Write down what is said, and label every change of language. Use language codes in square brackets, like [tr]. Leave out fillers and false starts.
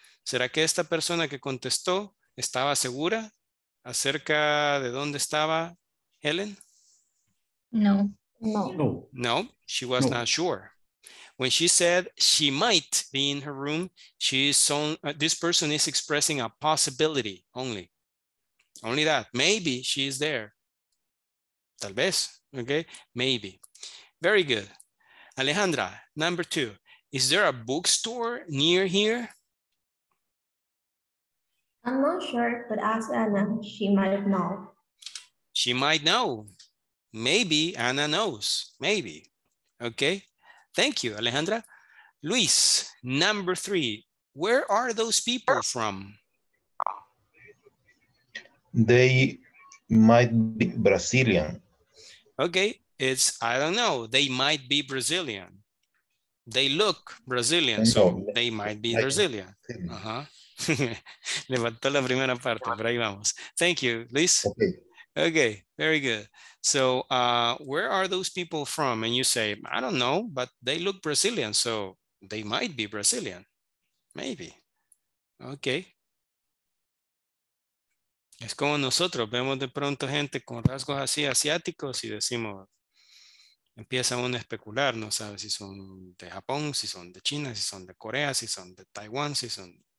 [es] ¿Será que esta persona que contestó estaba segura acerca de dónde estaba Helen? [en] No. No. No, she was not sure. When she said she might be in her room, this person is expressing a possibility only. Only that. Maybe she is there. [es] Tal vez. [en] Okay. Maybe. Very good. Alejandra, number two. Is there a bookstore near here? I'm not sure, but ask Anna, she might know. She might know. Maybe Anna knows, maybe. Okay, thank you, Alejandra. Luis, number three, where are those people from? They might be Brazilian. Okay, it's, I don't know, they might be Brazilian. They look Brazilian, so they might be Brazilian. [es] Le faltó la primera parte, pero ahí vamos. [en] Thank you, Luis. Okay, very good. So, where are those people from? And you say, I don't know, but they look Brazilian, so they might be Brazilian. Maybe. Okay. [es] Es como nosotros vemos de pronto gente con rasgos así asiáticos y decimos, empieza uno a especular, no sabe si son de Japón, si son de China, si son de Corea, si son de Taiwán, si son.